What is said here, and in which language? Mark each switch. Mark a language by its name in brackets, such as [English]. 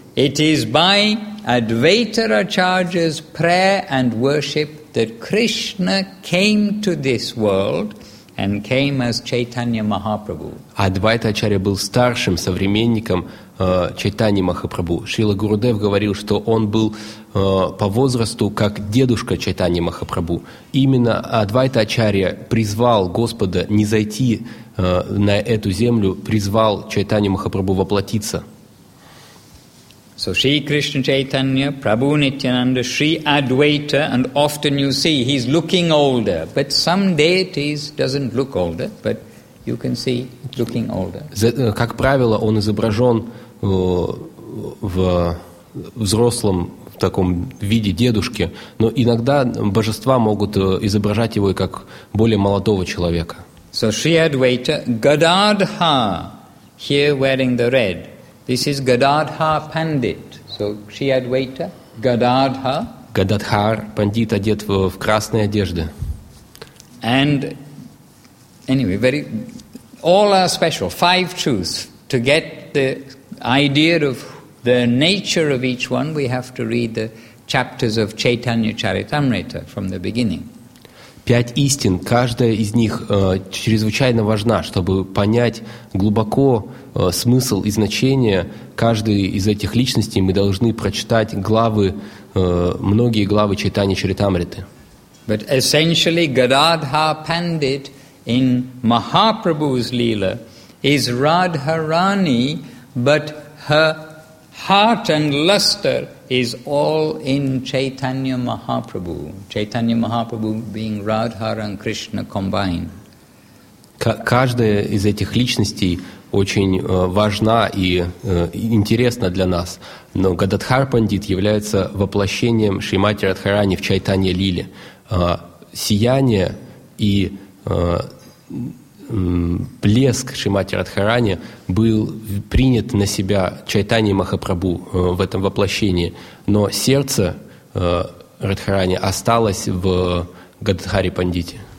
[English] It is by Advaita Acharya's prayer and worship that Krishna came to this world and came as Chaitanya Mahaprabhu. [Russian] Advaita Acharya был старшим современником Чайтаньи Махапрабху. Шрила Гурудев говорил, что он был по возрасту как дедушка Чайтаньи Махапрабху. Именно Адвайта Ачарья призвал Господа не зайти на эту землю, призвал Чайтаньи Махапрабху воплотиться. [English] So, Shri Krishna Chaitanya, Prabhu Nityananda, Shri Advaita, and often you see he's looking older, but some deities doesn't look older, but you can see looking older. [Russian] Как правило, он изображен в взрослом в таком виде дедушки, но иногда божества могут изображать его и как более молодого человека. [English] So Shri Advaita Gadadha, here wearing the red. This is Gadadha Pandit. So Shri Advaita Gadadha. [Russian] Гададхар, пандит, одет в красные одежды. [English] And anyway, very. All are special. Five truths. To get the idea of the nature of each one, we have to read the chapters of Chaitanya Charitamrita from the beginning. [Russian] Пять истин. Каждая из них чрезвычайно важна, чтобы понять глубоко смысл и значение каждой из этих личностей. Мы должны прочитать главы, многие главы Чайтанья Чаритамриты. [English] But essentially, Gadadha Pandit in Mahaprabhu's Leela is Radharani, but her heart and luster is all in Chaitanya Mahaprabhu. Chaitanya Mahaprabhu being Radhar and Krishna combined. [Russian] Каждая из этих личностей очень важна и интересна для нас. Но Гададхар Пандит является воплощением Шримати Радхарани в Чайтанья Лиле. Сияние и блеск Шримати Радхарани был принят на себя Чайтаньей Махапрабху в этом воплощении, но сердце Радхарани осталось в Гададхаре Пандите.